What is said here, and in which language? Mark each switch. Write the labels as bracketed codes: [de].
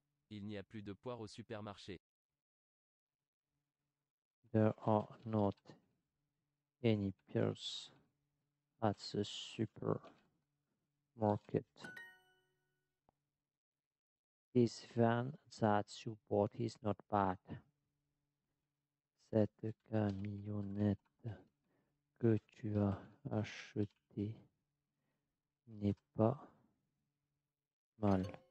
[fr] Il n'y a plus de poire au supermarché. [en] There are not any pears at the supermarket. This van that you bought is not bad. [fr] Cette camionnette que tu as achetée n'est pas mal.